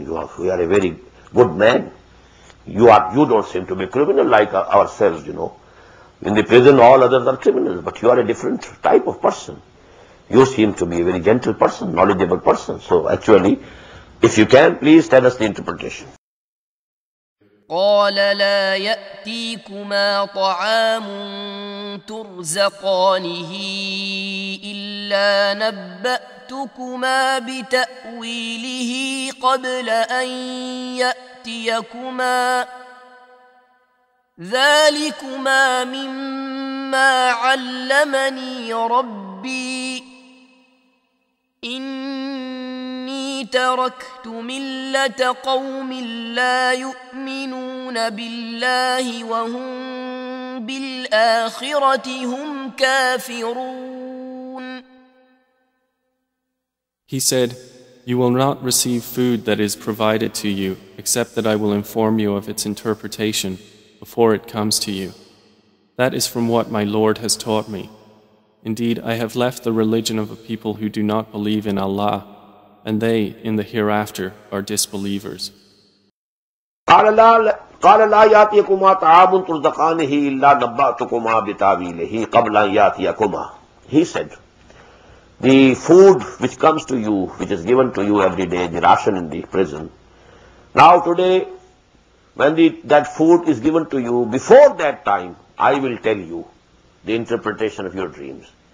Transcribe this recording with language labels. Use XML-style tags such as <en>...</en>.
<en>You are a very good man. You don't seem to be criminal like ourselves, you know. In the prison, all others are criminals, but you are a different type of person. You seem to be a very gentle person, knowledgeable person. So actually, if you can, please tell us the interpretation.</en> <ar>قَالَ لَا يَأْتِيكُمَا طَعَامٌ تُرْزَقَانِهِ إِلَّا نَبَّأْتُكُمَا بِتَأْوِيلِهِ قَبْلَ أَنْ يَأْتِيَكُمَا ذلكما مما علمني ربي إني تركت ملة قوم لا يؤمنون بالله وهم بالآخرة هم كافرون</ar> <en>He said, You will not receive food that is provided to you, except that I will inform you of its interpretation before it comes to you. That is from what my Lord has taught me. Indeed, I have left the religion of a people who do not believe in Allah, and they, in the hereafter, are disbelievers.</en> <ar>قال لا ياتيكما طعام ترزقانه الا نبأتكما بتاويله قبل ان ياتيكما.</ar> <en>He said, the food which comes to you, which is given to you every day, the ration in the prison, now today, when that food is given to you, before that time, I will tell you the interpretation of your dreams.</en>